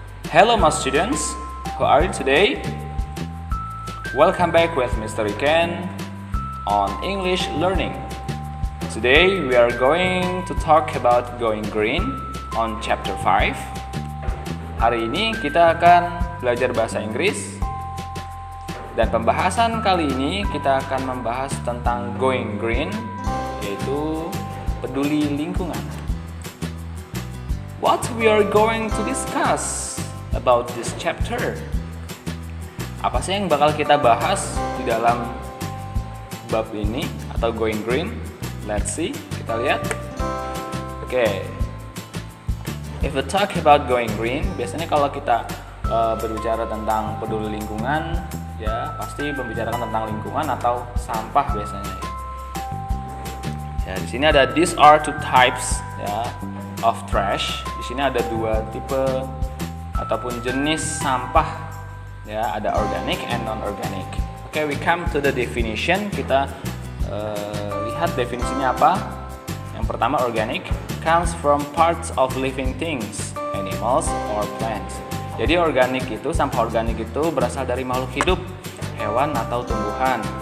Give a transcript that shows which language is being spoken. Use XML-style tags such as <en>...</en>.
<en>Hello my students, how are you today? Welcome back with Mr. Ken on English learning. Today we are going to talk about going green on chapter 5.</en> <id>Hari ini kita akan belajar bahasa Inggris. Dan pembahasan kali ini kita akan membahas tentang going green, yaitu peduli lingkungan.</id> <en>What we are going to discuss about this chapter?</en> <id>Apa sih yang bakal kita bahas di dalam bab ini atau going green?</id> <en>Let's see,</en> <id>kita lihat.</id> <en>Okay. If we talk about going green,</en> <id>biasanya kalau kita berbicara tentang peduli lingkungan, ya pasti membicarakan tentang lingkungan atau sampah biasanya. Ya, di sini ada</id> <en>these are two types, ya. Of trash.</en> <id>Di sini ada dua tipe ataupun jenis sampah, ya, ada</id> <en>organic and non-organic. Okay, we come to the definition.</en> <id>Kita lihat definisinya apa. Yang pertama,</id> <en>organic comes from parts of living things, animals or plants.</en> <id>Jadi organic itu, sampah organik itu berasal dari makhluk hidup, hewan atau tumbuhan.</id>